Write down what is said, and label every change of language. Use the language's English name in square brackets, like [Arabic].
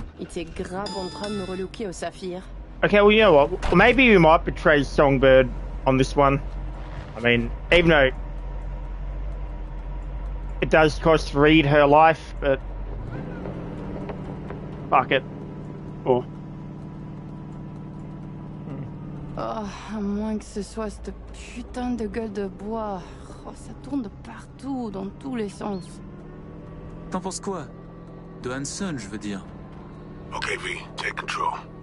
[French] Il était grave en train de me relooker au Saphir. [English] Okay, well, you know what? Maybe we might betray Songbird. On this one, I mean, even though it does cost Reed her life, but fuck it. Oh. [French] Oh, à moins que ce soit cette putain de gueule de bois. Oh, ça tourne de partout, dans tous les sens. T'en penses quoi? De Hansen, je veux dire. [English] Okay, V, take control.